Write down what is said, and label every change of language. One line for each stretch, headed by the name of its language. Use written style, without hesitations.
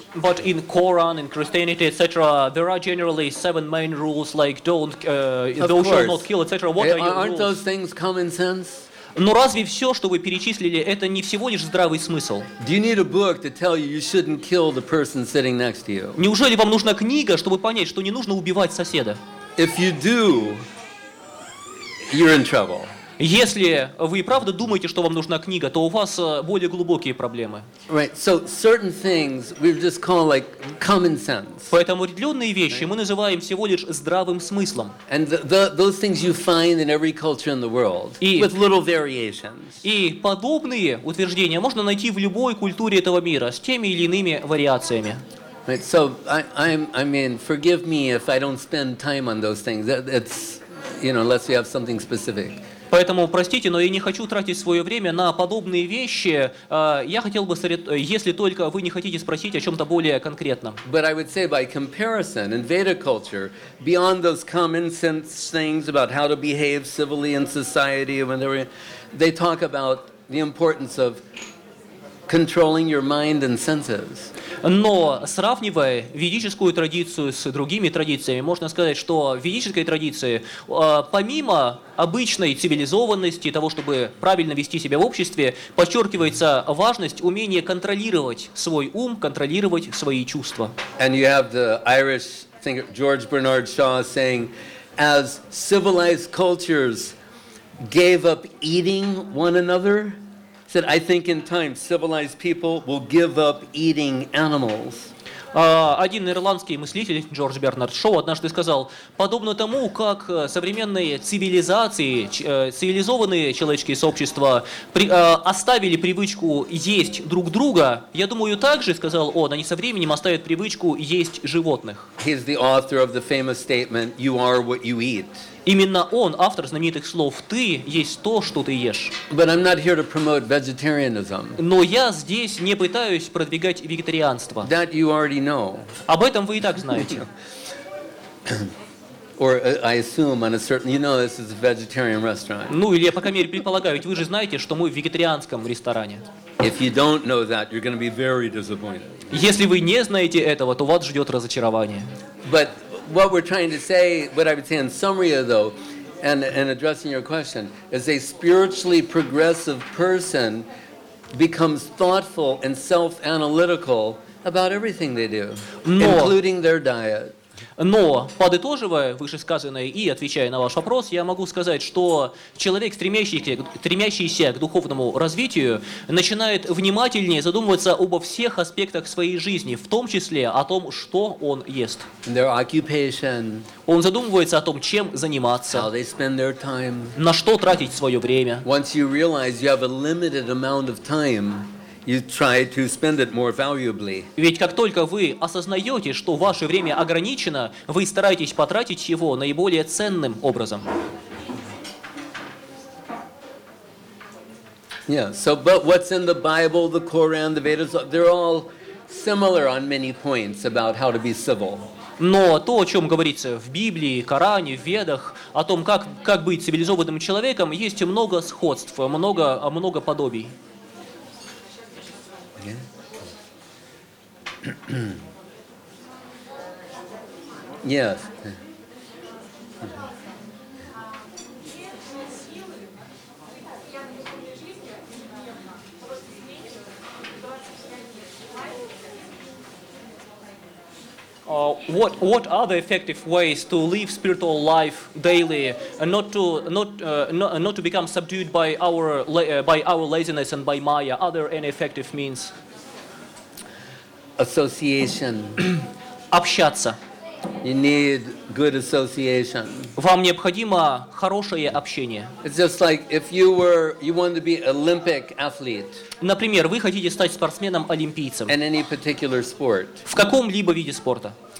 English: But in Quran, in Christianity, etc., there are generally seven main rules, like don't, thou shalt not kill, etc. What are your aren't rules? Aren't those things common sense?
Russian: Но разве все, что вы перечислили, это не всего лишь здравый смысл?
English: Do you need a book to tell you you shouldn't kill the person sitting next to you?
Russian: Неужели вам нужна книга, чтобы понять, что не нужно убивать соседа?
English: If you do, you're in trouble.
Russian: Если вы и правда думаете, что вам нужна книга, то у вас более глубокие проблемы.
English: Right. So certain things we just call like common sense.
Russian: Поэтому определенные вещи мы называем всего лишь здравым смыслом.
English: And those things you find in every culture in the world with little variations.
Russian: И подобные утверждения можно найти в любой культуре этого мира с теми или иными вариациями.
English: Right. So I mean, forgive me if I don't spend time on those things. It's, you know, unless you have something specific.
Russian: Поэтому, простите, но я не хочу тратить свое время на подобные вещи. Я хотел бы, если только вы не хотите спросить о чем-то более конкретном.
English: But I would say by comparison, in Vedic culture, beyond those common sense things about how to behave civilly in society, when they talk about the importance of controlling your mind and senses.
Russian: Но сравнивая ведическую традицию с другими традициями, можно сказать, что в ведической традиции, помимо обычной цивилизованности, того, чтобы правильно вести себя в обществе, подчеркивается важность умения контролировать свой ум, контролировать свои чувства.
English: And you have the Irish thinker George Bernard Shaw saying, as civilized cultures gave up eating one another, said, I think in time civilized people will give up eating animals.
Russian: Один ирландский мыслитель Джордж Бернард Шоу однажды сказал, подобно тому, как современные цивилизации, цивилизованные человеческие сообщества оставили привычку есть друг друга, я думаю, также, сказал он, они со временем оставят привычку есть животных.
English: He's the author of the famous statement, you are what you eat.
Russian: Именно он, автор знаменитых слов «Ты есть то, что ты ешь». Но я здесь не пытаюсь продвигать вегетарианство.
English: That you already know.
Russian: Об этом вы и так знаете.
English: Or I assume on a certain, you know, this is a vegetarian restaurant.
Russian: Ну или я по крайней мере предполагаю, ведь вы же знаете, что мы в вегетарианском ресторане.
English: If you don't know that, you're going to be very disappointed.
Russian: Если вы не знаете этого, то вас ждет разочарование.
English: But what we're trying to say, what I would say in summary, though, and addressing your question, is a spiritually progressive person becomes thoughtful and self-analytical about everything they do, including their diet.
Russian: Но, подытоживая вышесказанное и отвечая на ваш вопрос, я могу сказать, что человек, стремящийся к духовному развитию, начинает внимательнее задумываться обо всех аспектах своей жизни, в том числе о том, что он ест.
English: Their occupation,
Russian: он задумывается о том, чем заниматься,
English: how they spend their time.
Russian: На что тратить свое время.
English: Once you realize you have a limited amount of time, you try to spend it more valuably.
Russian: Ведь как только вы осознаете, что ваше время ограничено, вы стараетесь потратить его наиболее ценным образом.
English: Yeah. So, but what's in the Bible, the Quran, the Vedas? They're all similar on many points about how to be civil.
Russian: Но то, о чем говорится в Библии, Коране, в Ведах, о том, как быть цивилизованным человеком, есть много сходств, много подобий.
English: Yes. What are the effective ways to live spiritual life daily, and not to become subdued by our laziness and by Maya? Are there any effective means? Association.
Russian: Общаться.
English: You need good association.
Russian: Вам необходимо хорошее общение.
English: It's just like if you want to be Olympic athlete.
Russian: Например, вы хотите стать спортсменом-олимпийцем.
English: In any particular sport.
Russian: В каком-либо виде спорта.